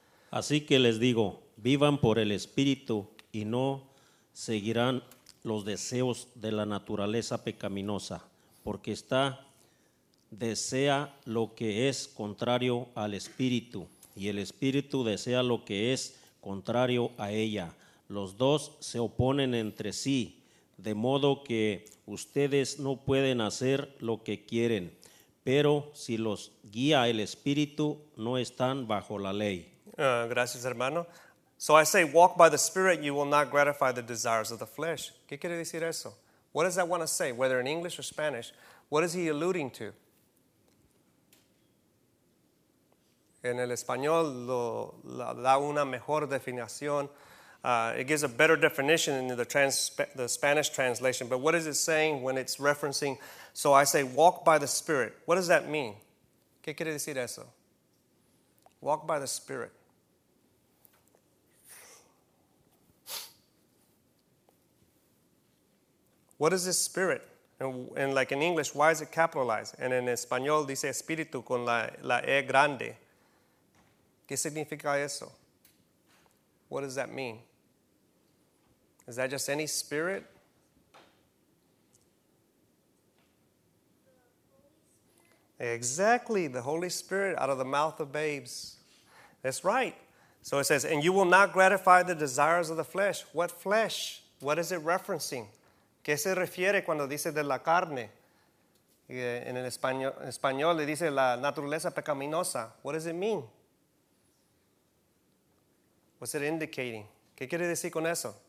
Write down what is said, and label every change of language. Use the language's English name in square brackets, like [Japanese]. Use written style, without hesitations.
[Spanish] Así que les digo, vivan por el Espíritu y no seguirán los deseos de la naturaleza pecaminosa, porque está desea lo que es contrario al Espíritu, y el Espíritu desea lo que es contrario a ella. Los dos se oponen entre sí, de modo que ustedes no pueden hacer lo que quieren, pero si los guía el Espíritu, no están bajo la ley. Gracias, hermano. [English] So I say, walk by the Spirit, you will not gratify the desires of the flesh. [Spanish] ¿Qué quiere decir eso? [English] What does that want to say, whether in English or Spanish? What is he alluding to? [Spanish] En el español da una mejor definición. [English] It gives a better definition in the Spanish translation. But what is it saying when it's referencing? So I say, walk by the Spirit. What does that mean? [Spanish] ¿Qué quiere decir eso? [English] Walk by the Spirit. What is this Spirit? And like in English, why is it capitalized? And in [Spanish] Español dice Espíritu con la E grande. ¿Qué significa eso? [English] What does that mean? Is that just any spirit? Exactly, the Holy Spirit out of the mouth of babes. That's right. So it says, and you will not gratify the desires of the flesh. What flesh? What is it referencing? [Spanish] ¿Qué se refiere cuando dice de la carne? En el español le dice la naturaleza pecaminosa. [English] What does it mean? What's it indicating? [Spanish] ¿Qué quiere decir con eso?